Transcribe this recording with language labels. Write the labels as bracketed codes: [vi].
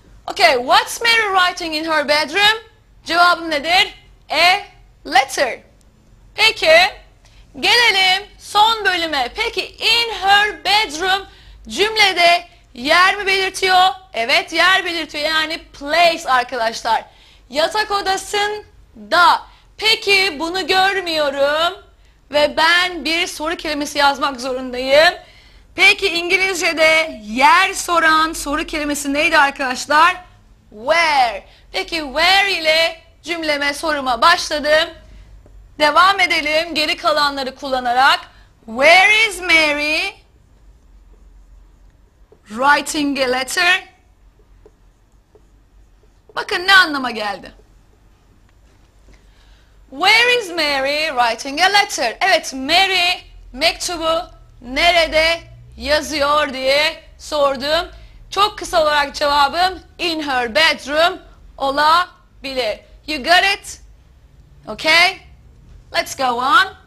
[en] Okay, what's Mary writing in her bedroom? [tr] Cevabım nedir? [en] A letter. [tr] Peki, gelelim son bölüme. Peki, [en] in her bedroom [tr] cümlede yer mi belirtiyor? Evet, yer belirtiyor. Yani place arkadaşlar. Yatak odasında. Peki, bunu görmüyorum. Ve ben bir soru kelimesi yazmak zorundayım. Peki, İngilizce'de yer soran soru kelimesi neydi arkadaşlar? Where. Peki, where ile cümleme, soruma başladım. Devam edelim geri kalanları kullanarak. [en] Where is Mary writing a letter? [tr] Bakın ne anlama geldi. [en] Where is Mary writing a letter? [tr] Evet, Mary mektubu nerede yazıyor diye sordum. Çok kısa olarak cevabım [en] in her bedroom [tr] olabilir. [en] You got it? Okay? Let's go on.